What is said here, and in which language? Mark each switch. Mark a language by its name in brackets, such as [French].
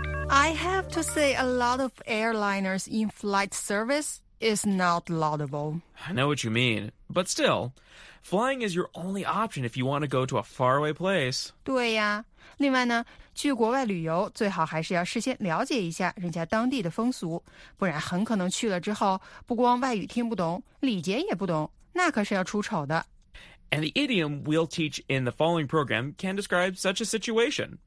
[English] I have to say a lot of airliners in-flight service is not laudable. I know what you mean, but still... Flying is your only option if you want to go to a faraway place. [Chinese] 对呀，另外呢，去国外旅游最好还是要事先了解一下人家当地的风俗，不然很可能去了之后，不光外语听不懂，礼节也不懂，那可是要出丑的。 [English] And the idiom we'll teach in the following program can describe such a situation.